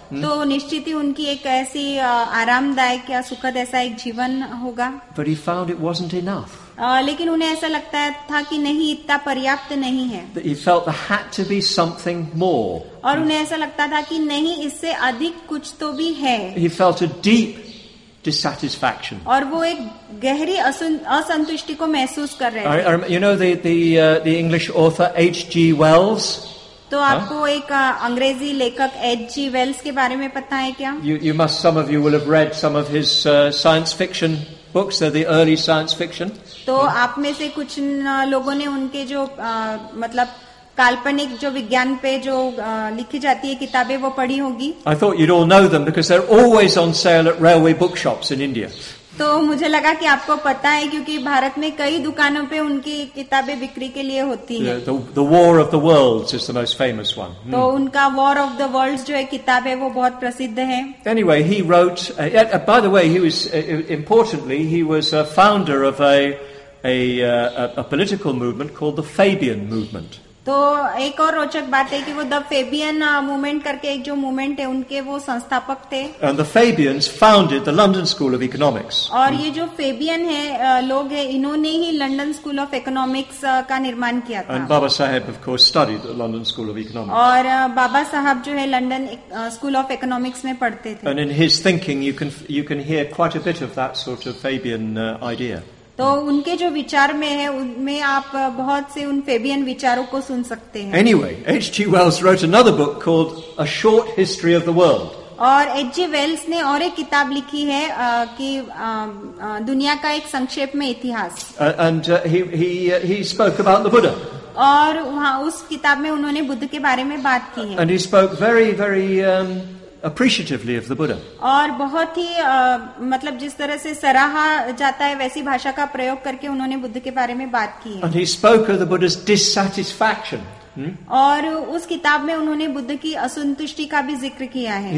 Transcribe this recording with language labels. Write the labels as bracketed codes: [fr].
[hi] तो निश्चित ही उनकी एक ऐसी आरामदायक या सुखद ऐसा एक जीवन होगा. [en] But he found it wasn't enough. [hi] लेकिन उन्हें ऐसा लगता था कि नहीं इतना पर्याप्त नहीं है. [en] He felt there had to be something more. [hi] और उन्हें ऐसा लगता था कि नहीं इससे अधिक कुछ तो भी है. [en] He felt a deep dissatisfaction. [hi] और वो एक गहरी असंतुष्टि को महसूस कर रहे हैं. [en] You know the English author H.G. Wells? [hi] तो आपको एक अंग्रेजी लेखक H.G. Wells के बारे में पता है क्या? [en] Some of you will have read some of his science fiction books, the early science fiction. [hi] तो आप में से कुछ लोगों ने उनके जो मतलब काल्पनिक जो विज्ञान पे जो लिखी जाती है किताबें वो पढ़ी होगी. [en] I thought you'd all know them because they're always on sale at railway bookshops in India. [hi] तो मुझे लगा कि आपको पता है क्योंकि भारत में कई दुकानों पे उनकी किताबें बिक्री के लिए होती हैं। [en] The War of the Worlds is the most famous one. [hi] तो उनका War of the Worlds जो है किताब है वो बहुत प्रसिद्ध है। [en] Anyway, he wrote. By the way, he was importantly he was a founder of a political movement called the Fabian movement. [hi] तो एक और रोचक बात है कि वो द फेबियन मूवमेंट करके एक जो मूवमेंट है उनके वो संस्थापक थे [en] And the Fabians founded the London School of Economics. [hi] और ये जो फेबियन है लोग है इन्होंने ही लंदन स्कूल ऑफ इकोनॉमिक्स का निर्माण किया था [en] And Baba Saheb of course studied at London School of Economics. [hi] और बाबा साहब जो है लंदन स्कूल ऑफ इकोनॉमिक्स में पढ़ते थे [en] And in his thinking you can hear quite a bit of that sort of Fabian idea. [hi] तो उनके जो विचार में है उनमें आप बहुत से उन फेबियन विचारों को सुन सकते हैं [en] Anyway, H.G. Wells wrote another book called A Short History of the World. [hi] और H.G. Wells ने और एक किताब लिखी है कि दुनिया का एक संक्षेप में इतिहास [en] And he spoke about the Buddha. [hi] और वहाँ उस किताब में उन्होंने बुद्ध के बारे में बात की है [en] And he spoke very, very, appreciatively of the Buddha. [hi] और बहुत ही मतलब जिस तरह से सराहा जाता है वैसी भाषा का प्रयोग करके उन्होंने बुद्ध के बारे में बात की है. [en] And he spoke of the Buddha's dissatisfaction. [hi] और उस किताब में उन्होंने बुद्ध की असंतुष्टि का भी जिक्र किया है.